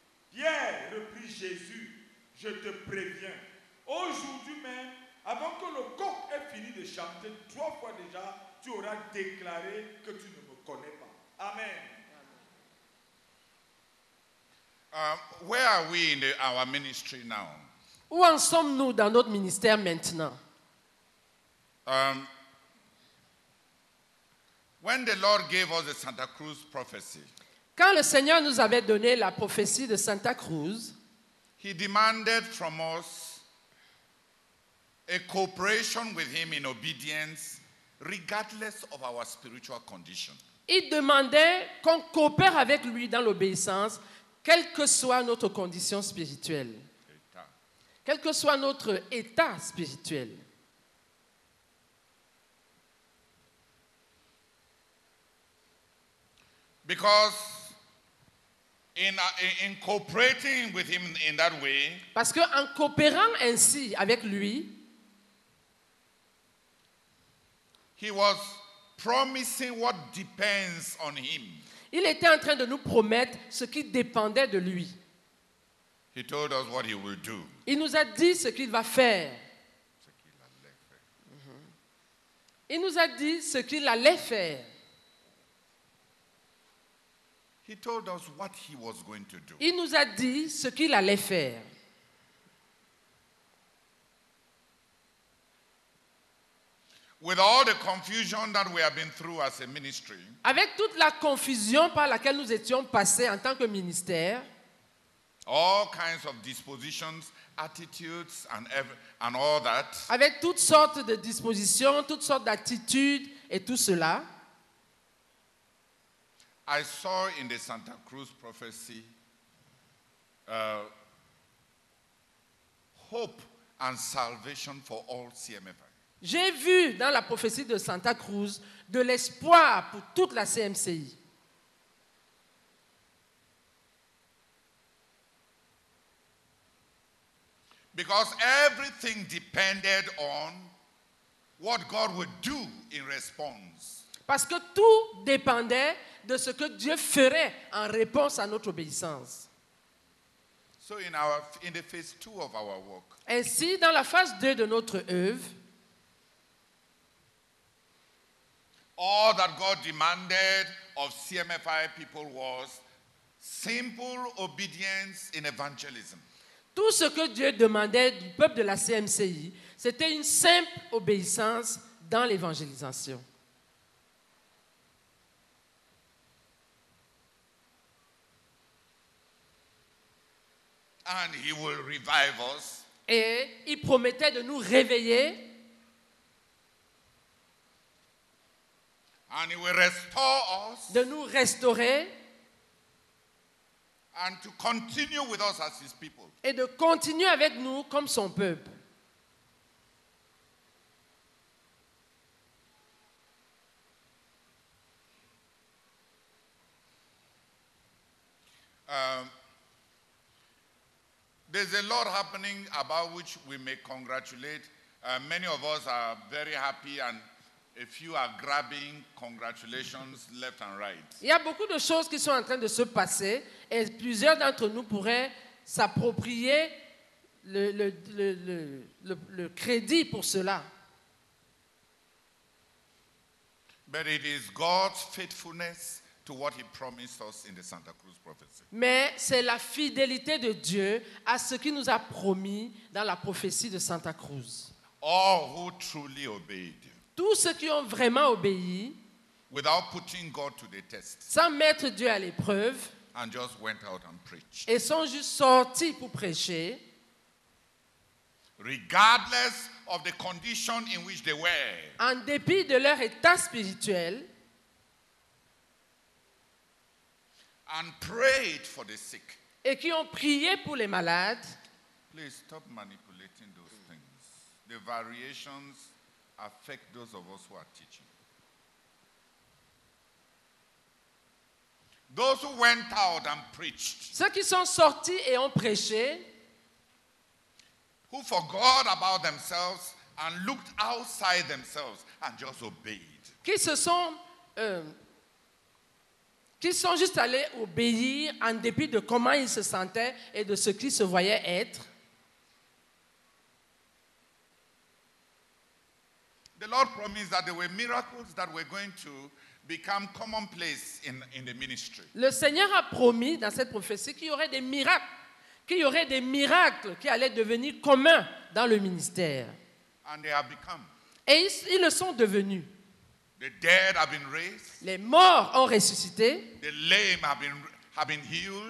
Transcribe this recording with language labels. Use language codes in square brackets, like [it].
[fr] Pierre, reprit Jésus, je te préviens, aujourd'hui même, avant que le coq ait fini de chanter, trois fois déjà, tu auras déclaré que tu ne me connais pas. Amen. [en] Where are we in our ministry now? [fr] Où en sommes-nous dans notre ministère maintenant? [en] When the Lord gave us the Santa Cruz prophecy, [fr] quand le Seigneur nous avait donné la prophétie de Santa Cruz, [en] He demanded from us a cooperation with Him in obedience, regardless of our spiritual condition. [fr] Il demandait qu'on coopère avec lui dans l'obéissance, quelle que soit notre condition spirituelle, quel que soit notre état spirituel. [en] Because in cooperating with him in that way, [fr] parce que en coopérant ainsi avec lui, [en] he was promising what depends on him. [fr] Il était en train de nous promettre ce qui dépendait de lui. [en] He told us what he will do. [fr] Il nous a dit ce qu'il va faire. Ce qu'il allait faire. Il nous a dit ce qu'il allait faire. [en] He told us what he was going to do. [fr] Il nous a dit ce qu'il allait faire. [en] With all the confusion that we have been through as a ministry. [fr] Avec toute la confusion par laquelle nous étions passés en tant que ministère. [en] All kinds of dispositions, attitudes, and all that. [fr] Avec toutes sortes de dispositions, toutes sortes d'attitudes et tout cela. [en] I saw in the Santa Cruz prophecy hope and salvation for all CMFI. [fr] J'ai vu dans la prophétie de Santa Cruz de l'espoir pour toute la CMCI. [en] Because everything depended on what God would do in response. [fr] Parce que tout dépendait de ce que Dieu ferait en réponse à notre obéissance. [en] So in the phase two of our work. [fr] Ainsi, dans la phase 2 de notre œuvre, [en] all that God demanded of CMFI people was simple obedience in evangelism. [fr] Tout ce que Dieu demandait du peuple de la CMCI, c'était une simple obéissance dans l'évangélisation. [en] And he will revive us. [fr] Et il promettait de nous réveiller. [en] And he will restore us. [fr] De nous restaurer. [en] And to continue with us as his people. [fr] Et de continuer avec nous comme son peuple. [en] There's a lot happening about which we may congratulate. Many of us are very happy and a few are grabbing congratulations left and right. [fr] Il y a beaucoup de choses qui sont en train de se passer et plusieurs d'entre nous pourraient s'approprier le crédit pour cela. [en] But it is God's faithfulness to what he promised us in the Santa Cruz prophecy. [fr] Mais c'est la fidélité de Dieu à ce qu'il nous a promis dans la prophétie de Santa Cruz. [en] All who truly obeyed. [fr] Tous ceux qui ont vraiment obéi, [en] without putting God to the test, [fr] sans mettre Dieu à l'épreuve, [en] and just went out and preached, [fr] et sont juste sortis pour prêcher, [en] regardless of the condition in which they were, [fr] en dépit de leur état spirituel, [en] and prayed for the sick, [fr] et qui ont prié pour les malades. [en] Please stop manipulating those things. The variations affect those of us who are teaching. Those who went out and preached. [fr] Ceux qui sont sortis et ont prêché. [en] Who forgot about themselves and looked outside themselves and just obeyed. [fr] Qui se sont qui sont juste allés obéir en dépit de comment ils se sentaient et de ce qu'ils se voyaient être. [en] The Lord promised that there were miracles that were going to become commonplace in the ministry. [fr] Le Seigneur a promis dans cette prophétie qu'il y aurait des miracles qui allaient devenir communs dans le ministère. [en] And they have become. [fr] Et ils le sont devenus. [en] The dead have been raised. [fr] Les morts ont ressuscité. [en] The lame have been healed.